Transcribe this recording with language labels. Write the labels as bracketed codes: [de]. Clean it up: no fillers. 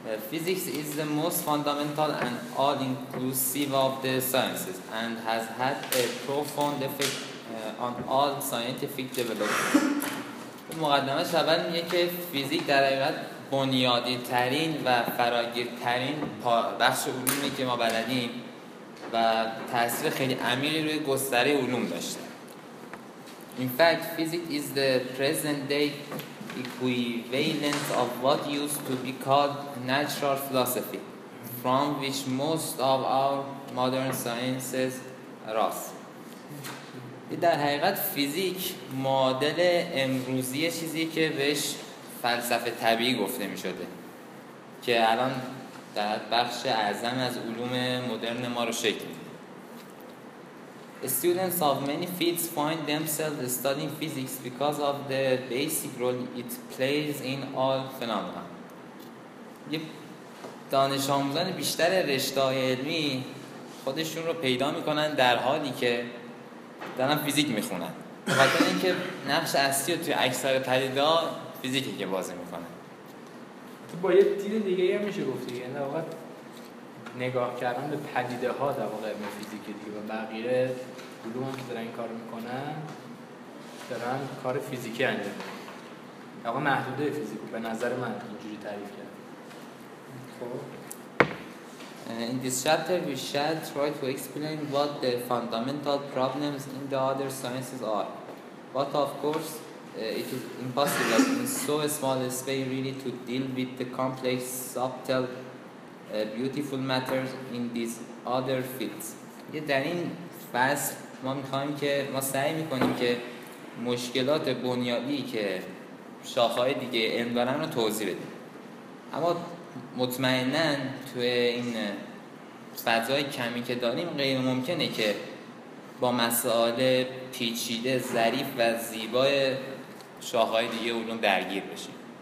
[en] Physics is the most fundamental and all-inclusive of the sciences and has had a profound effect on all scientific development. [fa] مقدمه شبن میگه که فیزیک در حقیقت بنیادی ترین و فراگیر ترین بخش علومی که ما بلدیم و تأثیر خیلی عمیقی روی گستره علوم داشته. [en] In fact, physics is the present-day equivalent of what used to be called natural philosophy, from which most of our modern sciences arose. [fa] در حقیقت فیزیک معادل امروزی چیزی که بهش فلسفه طبیعی گفته می شده که الان در بخش اعظم از علوم مدرن ما رو شکل می‌ده. [en] Students of many fields find themselves studying physics because of the basic role it plays in all phenomena. [fa] یه دانش آموزان بیشتر رشته‌های علمی خودشون رو پیدا میکنن در حالی که دارن فیزیک میخونن. خاطر اینکه نقش اصلی رو توی اکثر پدیده‌ها فیزیکی که بازی میکنن. تو با یه دید دیگه یه میشه گفتی. یعنی واقعا نگاه کردن به پدیده ها در واقع علم فیزیکی دیگه و بقیه علوم هم که دارن این کار میکنن دارن کار فیزیکی انجام میدن. آقا محدوده فیزیکو به نظر من اینجوری تعریف کرد. [en] In this chapter we shall try to explain what the fundamental problems in the other sciences are. But of course it is impossible in so small a space really to deal with the complex subtle beautiful matters in these other fields. [fa] یه در این فصل ما میخواییم که ما سعی میکنیم که مشکلات بنیادی که شاخه‌های دیگه علم دارن رو توضیح بدیم. اما مطمئنن توی این فضای کمی که داریم غیر ممکنه که با مسائل پیچیده ظریف و زیبای شاخه‌های دیگه اونو درگیر بشیم.